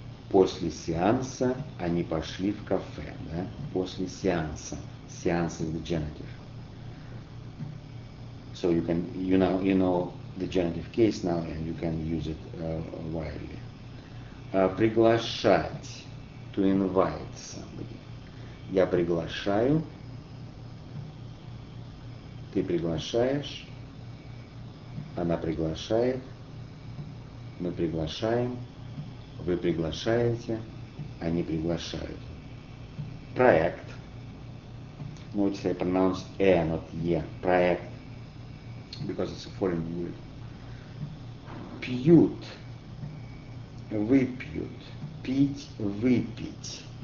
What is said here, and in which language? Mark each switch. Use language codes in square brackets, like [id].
[ru] После сеанса они пошли в кафе. Да? После сеанса. [en] Сеанс is the genitive. So you can, you know the genitive case now, and you can use it widely. Приглашать, to invite somebody. [ru] Я приглашаю, ты приглашаешь, она приглашает, мы приглашаем, вы приглашаете, они приглашают. Проект. [en] Notice I pronounced E, not E. Проект, because it's a foreign word. [ru] Пьют, выпьют, пить, выпить.